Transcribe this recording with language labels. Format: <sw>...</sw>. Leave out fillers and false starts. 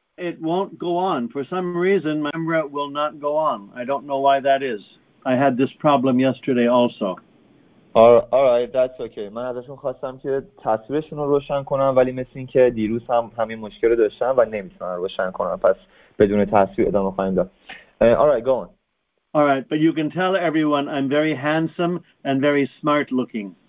<en>It won't go on for some reason. My camera will not go on. I don't know why that is. I had this problem yesterday also. All right, that's okay.</en> <fa>من ازشون خواستم که تصویرشون رو روشن کنم، ولی مثل این که دیروز هم همین مشکل رو داشتم و نمیتونم روشن کنم، پس بدون تصویر ادامه خواهیم داد.</fa> <en>All right, go on. All right, but you can tell everyone I'm very handsome and very smart looking.</en>